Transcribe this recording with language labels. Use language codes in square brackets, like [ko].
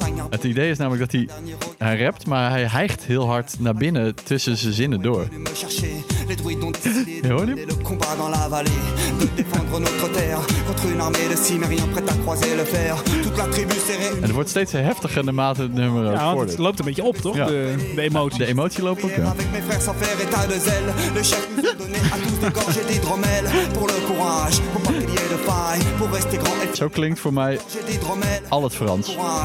[nl] Het idee is namelijk dat hij rapt, maar hij hijgt heel hard naar binnen tussen zijn zinnen door. [fr] Les druides ont décidé de mener le combat dans la vallée, de défendre notre terre contre une armée de cimériens prêtes à croiser le fer. Toute la tribu s'est réunie. [nl] En het wordt steeds heftiger naarmate het nummer voordat. Ja, het loopt een beetje op, toch? Ja. De emotie. De emotie loopt ook, ja. [fr] Avec mes frères sans faire état de zèle, le chef nous a donné à tous de gorge et d'hydromel pour le courage, pour pas qu'il y ait de paille, pour rester grand et... [nl] Zo klinkt voor mij al het Frans.